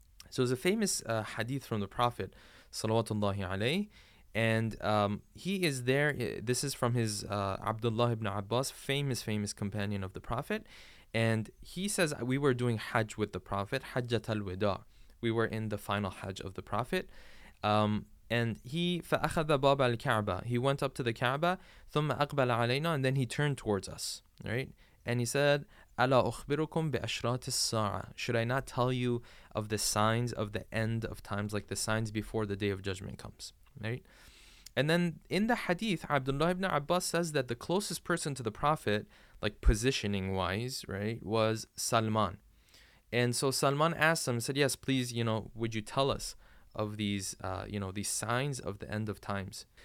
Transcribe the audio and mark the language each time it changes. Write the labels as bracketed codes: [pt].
[en] So there's a famous hadith from the Prophet, salawatullahi alayhi, and he is there. This is from his Abdullah ibn Abbas, famous companion of the Prophet. And he says, we were doing hajj with the Prophet, hajjat al-wida. We were in the final hajj of the Prophet. And he [ar] فأخذ باب الكعبة. [en] He went up to the Kaaba, [ar] ثم أقبل علينا, [en] and then he turned towards us, right? And he said, [ar] ألا أخبركم بأشراط الساعة? [en] Should I not tell you of the signs of the end of times, like the signs before the day of judgment comes, right? And then in the hadith, Abdullah ibn Abbas says that the closest person to the Prophet, like positioning wise, right, was Salman. And so Salman asked him, said, yes, please, you know, would you tell us of these, you know, these signs of the end of times?